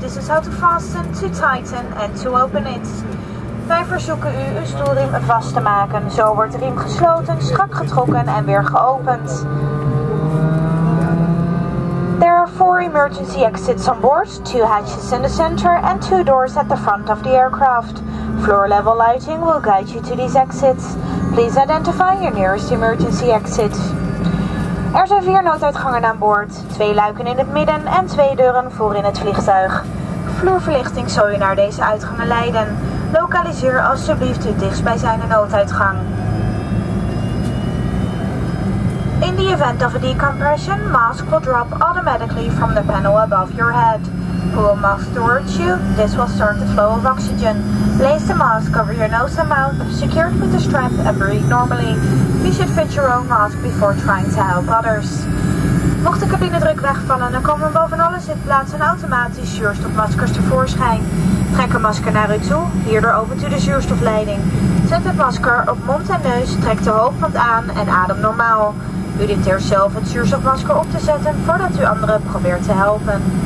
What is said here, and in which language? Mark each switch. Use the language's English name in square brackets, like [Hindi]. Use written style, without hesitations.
[English] This is how to fasten, to tighten and to open it. [Dutch] Wij verzoeken u uw stoelriem vast te maken. Zo wordt de riem gesloten, strak getrokken en weer geopend. [English] There are four emergency exits on board, two hatches in the center and two doors at the front of the aircraft. Floor level lighting will guide you to these exits. Please identify your nearest emergency exit. [Dutch] Er zijn vier nooduitgangen aan boord, twee luiken in het midden en twee deuren voor in het vliegtuig. Vloerverlichting zal je naar deze uitgangen leiden. Lokaliseer alsjeblieft de dichtstbijzijnde nooduitgang. [English] In the event of a decompression, mask will drop automatically from the panel above your head. Pull a mask towards you, this will start the flow of oxygen. Place the mask over your nose and mouth, secure it with a strap and breathe normally. You should fit your own mask before trying to help others. [Dutch] Mocht de cabinedruk wegvallen, dan komen boven alle zitplaatsen automatisch zuurstofmaskers tevoorschijn. Trek een masker naar u toe, hierdoor opent u de zuurstofleiding. Zet het masker op mond en neus, trek de hoofdband aan en adem normaal. U dicteert zelf het zuurstofmasker op te zetten voordat u anderen probeert te helpen.